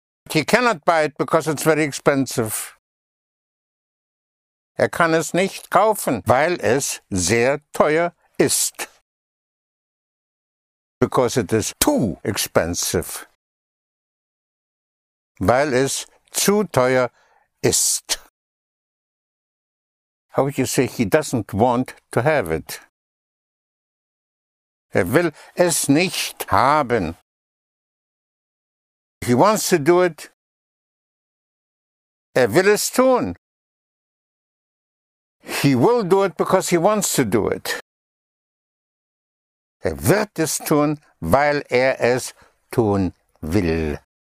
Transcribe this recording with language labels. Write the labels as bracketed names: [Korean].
[English] He cannot buy it because it's very expensive. [German] Er kann es nicht kaufen, weil es sehr teuer ist. [English] Because it is too expensive. [German] Weil es zu teuer ist. [English] How would you say he doesn't want to have it? [German] Er will es nicht haben. [English] He wants to do it. [German] Er will es tun. [English] He will do it because he wants to do it. [German] Er wird es tun, weil es tun will.